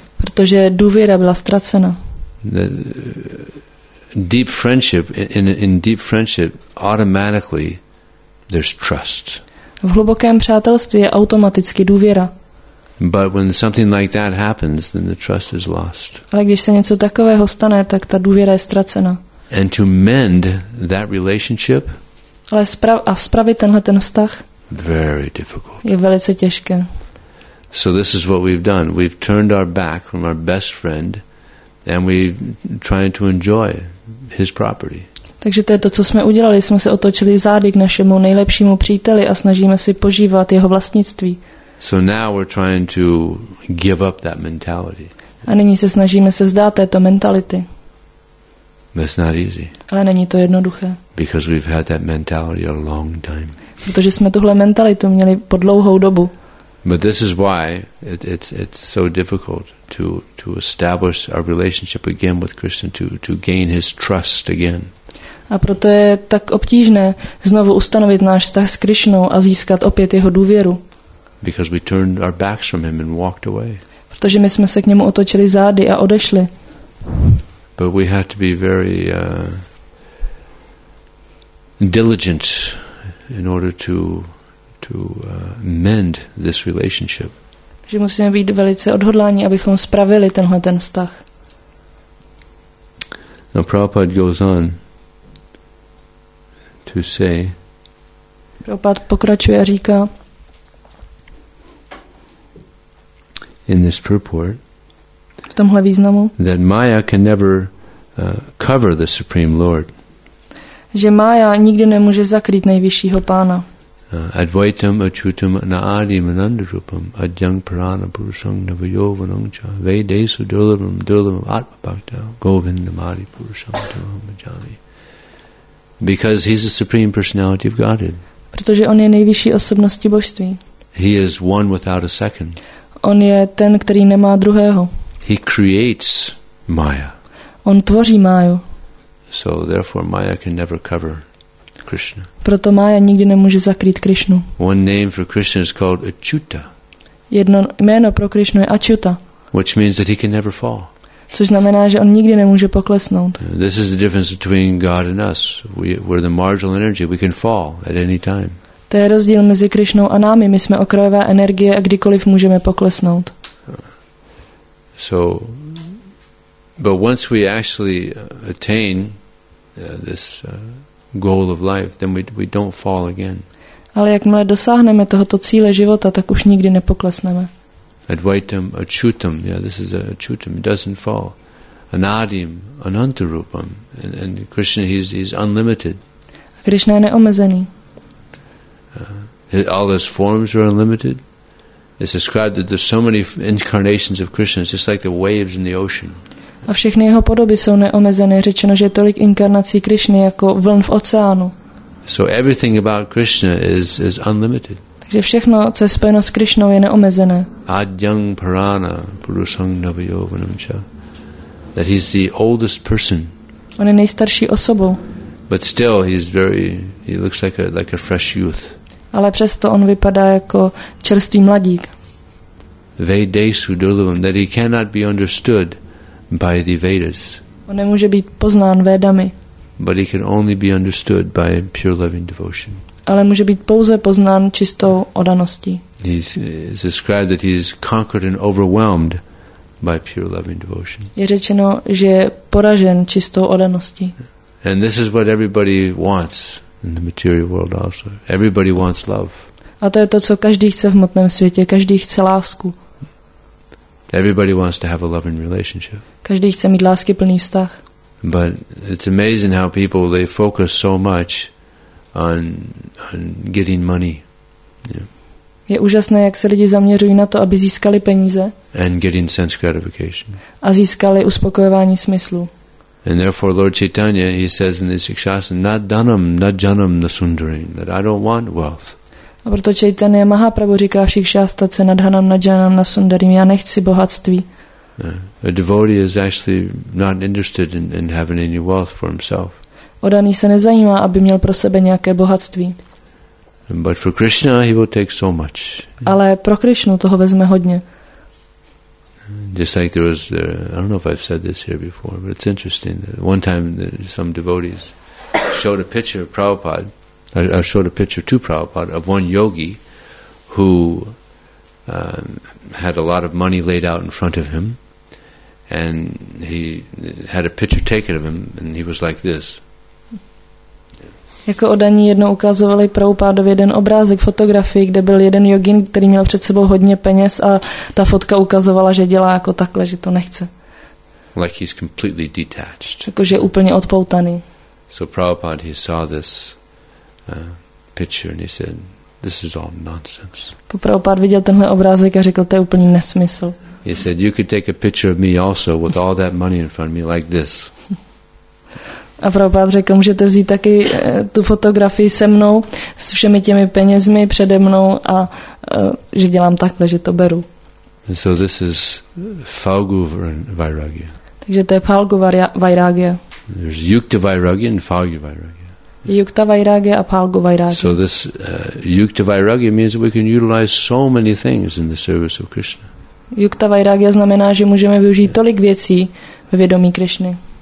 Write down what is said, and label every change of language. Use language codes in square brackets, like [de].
[cs] Protože důvěra byla ztracena. [en] Deep friendship, in deep friendship, automatically there's trust. [cs] V hlubokém přátelství je automaticky důvěra. [en] But when something like that happens, then the trust is lost. [cs] Ale když se něco takového stane, tak ta důvěra je ztracena. [en] And to mend that relationship. [cs] Ale spravit tenhle ten vztah. [en] Very difficult. [cs] Je velice těžké. [en] So this is what we've done. We've turned our back from our best friend, and we're trying to enjoy his property. [cs] Takže to je to, co jsme udělali. Jsme se otočili zády k našemu nejlepšímu příteli a snažíme si požívat jeho vlastnictví. [en] So now we're trying to give up that mentality. [cs] A nyní se snažíme se vzdát této mentality. [en] That's not easy. [cs] Ale není to jednoduché. [en] Because we've had that mentality a long time. [cs] Protože jsme tuhle mentalitu měli po dlouhou dobu. [en] But this is why it's so difficult to establish our relationship again with Krishna, to gain his trust again. [cs] A proto je tak obtížné znovu ustanovit náš vztah s Krishnou a získat opět jeho důvěru. [en] Because we turned our backs from him and walked away. [cs] Protože my jsme se k němu otočili zády a odešli. [en] But we have to be very diligent in order to mend this relationship. [cs] Že musíme být velice odhodláni, abychom spravili tenhle ten vztah. [en] Now Prabhupada goes on to say. [cs] Prabhupada pokračuje a říká. [en] In this purport. [cs] V tomhle významu. [en] That Maya can never cover the Supreme Lord. [cs] Že Maya nikdy nemůže zakrýt nejvyššího pána. [sa] Advaitam achutam naadim anandrupam adyang prana purusham navayovanamcha vedesu dulavam dulavam atmabhakta govindamari purusham tamamajami. [en] Because he's the Supreme Personality of Godhead. [cs] Protože on je nejvyšší osobností božství. [en] He is one without a second. [cs] On je ten, který nemá druhého. [en] He creates Maya. [cs] On tvoří Maju. [en] So therefore Maya can never cover Krishna. [cs] Proto Maya nikdy nemůže zakrýt Krishnu. [en] One name for Krishna is called Achyuta. [cs] Jedno jméno pro Krishnu je Achyuta. [en] Which means that he can never fall. [cs] Což znamená, že on nikdy nemůže poklesnout. [en] This is the difference between God and us. We're the marginal energy. We can fall at any time. [cs] To je rozdíl mezi Krishnou a námi. My jsme okrajová energie a kdykoliv můžeme poklesnout. [en] So, but once we actually attain this goal of life, then we don't fall again. [cs] Ale jakmile dosáhneme tohoto cíle života, tak už nikdy nepoklesneme. [sa] Advaitam achutam, [en] yeah, this is achutam. It doesn't fall. [sa] Anadim, anantarupam, [en] and Krishna, he's unlimited. [cs] Krishna je neomezený. [en] all his forms are unlimited. It's described that there's so many incarnations of Krishna. It's just like the waves in the ocean. [cs] A všechny jeho podoby jsou neomezené. Řečeno, že je tolik inkarnací Krishny jako vln v oceánu. [en] So everything about Krishna is unlimited. [cs] Takže všechno, co je spojeno s Krishnou, je neomezené. [sa] Adyang Purana Purusang Navayovanam Cha. [en] That he's the oldest person. [cs] On je nejstarší osobou. [en] But still he looks like a fresh youth. [cs] Ale přesto on vypadá jako čerstvý mladík. [sa] Vedesu durlavam, [en] that he cannot be understood by the Vedas. [cs] On nemůže být poznán Vedami. [en] But he can only be understood by pure loving devotion. [cs] Ale může být pouze poznán čistou oddaností. [en] He's described that he is conquered and overwhelmed by pure loving devotion. [cs] Je řečeno, že je poražen čistou oddaností. [en] And this is what everybody wants in the material world also. Everybody wants love. [cs] A to je to, co každý chce v hmotném světě. Každý chce lásku. [en] Everybody wants to have a loving relationship. [cs] Každý chce mít láskyplný vztah. [en] But it's amazing how people, they focus so much on getting money. Yeah. [cs] Je úžasné, jak se lidi zaměřují na to, aby získali peníze. [en] And getting sense gratification. [cs] A získali uspokojování smyslu. [en] And therefore Lord Chaitanya, he says in the Shikshasana, [sa] na dhanam, na janam, na sundarim, [en] that I don't want wealth. [cs] A proto Chaitanya Mahaprabhu říká v Shikshastace, [sa] na dhanam, na janam, na sundarim, [cs] já nechci bohatství. [en] A devotee is actually not interested in having any wealth for himself. [cs] Odaný se nezajímá, aby měl pro sebe nějaké bohatství. [en] But for Krishna, he will take so much. [cs] Ale pro Krishnu toho vezme hodně. [en] Just like there was, there, I don't know if I've said this here before, but it's interesting that one time some devotees showed a picture of Prabhupada. I showed a picture to Prabhupada of one yogi who had a lot of money laid out in front of him, and he had a picture taken of him, and he was like this. [cs] Jako oddaní jednou ukazovali Prabhupádovi jeden obrázek fotografii, kde byl jeden jogin, který měl před sebou hodně peněz a ta fotka ukazovala, že dělá jako takhle, že to nechce. [en] Like he's completely detached. [cs] Jakože je úplně odpoutaný. [en] So Prabhupada, he saw this picture and he said, this is all nonsense. [cs] Jako Prabhupada viděl tenhle obrázek a řekl, to je úplný nesmysl. [en] He said, you could take a picture of me also with all that money in front of me like this. [cs] A Prabhupád řekl, můžete vzít taky tu fotografii se mnou, s všemi těmi penězmi přede mnou a že dělám takhle, že to beru. [en] So this is Phalgu Vairagya. [cs] Takže to je Phalgu Vairagya. [en] There's Yukta Vairagya and Phalgu Vairagya. [cs] Yukta Vairagya a Phalgu Vairagya. [en] So this Yukta Vairagya means that we can utilize so many things in the service of Krishna. [cs] Yukta Vairagya znamená, že můžeme využít tolik věcí ve vědomí Krishny.